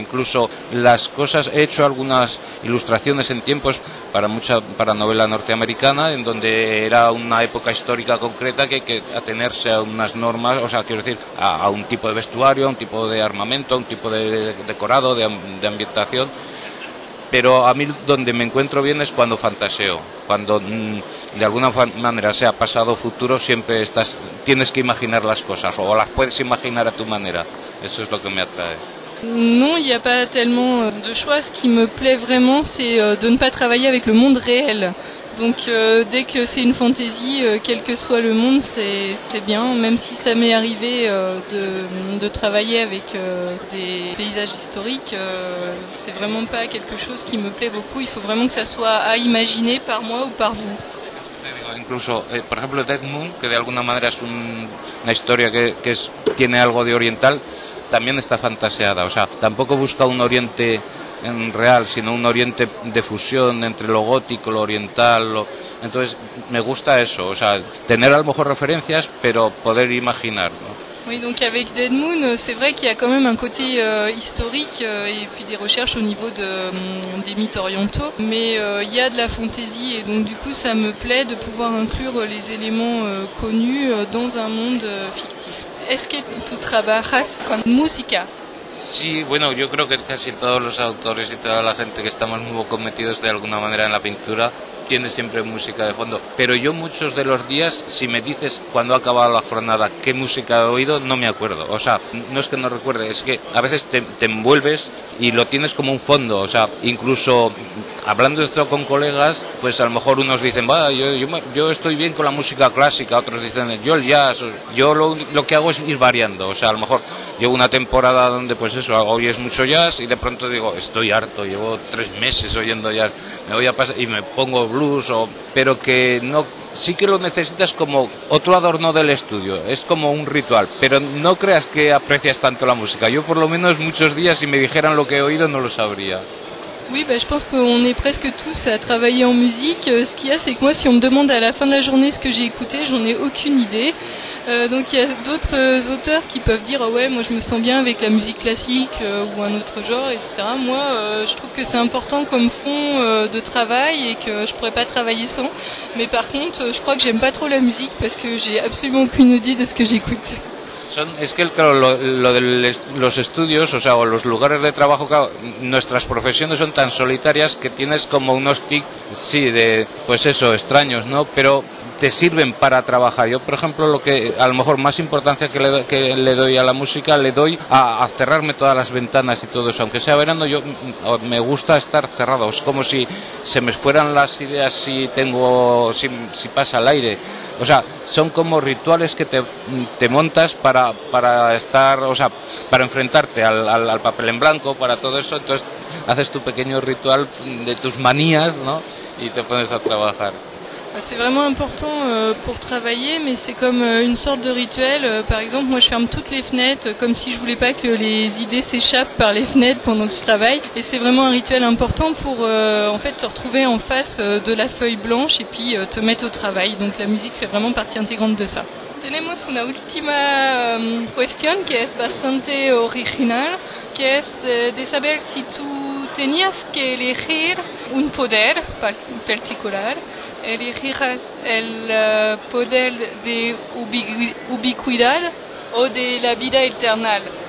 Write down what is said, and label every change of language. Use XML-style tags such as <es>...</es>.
<es>Incluso las cosas, he hecho algunas ilustraciones en tiempos para novela norteamericana, en donde era una época histórica concreta que hay que atenerse a unas normas, o sea, quiero decir, a un tipo de vestuario, a un tipo de armamento, a un tipo de decorado, de ambientación. Pero a mí donde me encuentro bien es cuando fantaseo, cuando de alguna manera, sea pasado o futuro, siempre tienes que imaginar las cosas, o las puedes imaginar a tu manera. Eso es lo que me atrae.</es> <fr>Non, il n'y a pas tellement de choix. Ce qui me plaît vraiment, c'est de ne pas travailler avec le monde réel. Donc dès que c'est une fantaisie, quel que soit le monde, c'est bien. Même si ça m'est arrivé de travailler avec des paysages historiques, c'est vraiment pas quelque chose qui me plaît beaucoup. Il faut vraiment que ça soit à imaginer par moi ou par vous.</fr> <es>Incluso, por ejemplo, Dead Moon, que de alguna manera es una historia que tiene algo de oriental, también está fantaseada. O sea, tampoco busca un oriente en real, sino un oriente de fusión entre lo gótico, lo oriental. Entonces, me gusta eso, o sea, tener a lo mejor referencias, pero poder imaginar, ¿no?</es> <fr>Oui, donc avec Dead Moon, c'est vrai qu'il y a quand même un côté historique et puis des recherches au niveau des mythes orientaux, mais il y a de la fantaisie et donc du coup ça me plaît de pouvoir inclure les éléments connus dans un monde fictif. Est-ce que tu travailles</fr> <es>con música? Sí, bueno, yo creo que casi todos los autores y toda la gente que estamos muy comprometidos de alguna manera en la pintura tiene siempre música de fondo, pero yo muchos de los días, si me dices cuando ha acabado la jornada qué música he oído, no me acuerdo. O sea, no es que no recuerde, es que a veces te envuelves y lo tienes como un fondo. O sea, incluso hablando esto con colegas, pues a lo mejor unos dicen, va, yo estoy bien con la música clásica, otros dicen, yo el jazz, yo lo que hago es ir variando. O sea, a lo mejor llevo una temporada donde, pues eso, hoy es mucho jazz y de pronto digo, estoy harto, llevo 3 meses oyendo jazz, me voy a pasar y me pongo blues, pero que no, sí que lo necesitas como otro adorno del estudio, es como un ritual, pero no creas que aprecias tanto la música. Yo por lo menos muchos días, si me dijeran lo que he oído, no lo sabría.</es> <fr>Oui, bah, je pense qu'on est presque tous à travailler en musique. Ce qu'il y a, c'est que moi, si on me demande à la fin de la journée ce que j'ai écouté, j'en ai aucune idée. Donc il y a d'autres auteurs qui peuvent dire oh « ouais, moi je me sens bien avec la musique classique ou un autre genre, etc. » Moi, je trouve que c'est important comme fond de travail et que je pourrais pas travailler sans. Mais par contre, je crois que j'aime pas trop la musique parce que j'ai absolument aucune idée de ce que j'écoute.</fr> <es>Es que claro, lo de los estudios, o sea, o los lugares de trabajo, claro, nuestras profesiones son tan solitarias que tienes como unos tics, sí, de, pues eso, extraños, ¿no? Pero te sirven para trabajar. Yo, por ejemplo, lo que a lo mejor más importancia que le doy a la música, le doy a cerrarme todas las ventanas y todo eso. Aunque sea verano, yo me gusta estar cerrado. Es como si se me fueran las ideas si pasa el aire. O sea, son como rituales que te montas para estar, o sea, para enfrentarte al papel en blanco, para todo eso. Entonces haces tu pequeño ritual de tus manías, ¿no? Y te pones a trabajar.</es> <fr>C'est vraiment important pour travailler, mais c'est comme une sorte de rituel. Par exemple, moi je ferme toutes les fenêtres comme si je voulais pas que les idées s'échappent par les fenêtres pendant que je travaille. Et c'est vraiment un rituel important pour en fait te retrouver en face de la feuille blanche et puis te mettre au travail. Donc la musique fait vraiment partie intégrante de ça.</fr> <es>Tenemos una última cuestión que es bastante original, que es de saber si tú tenías que elegir un poder particular. ¿Elegirás el poder de ubicuidad o de la vida eterna?</es>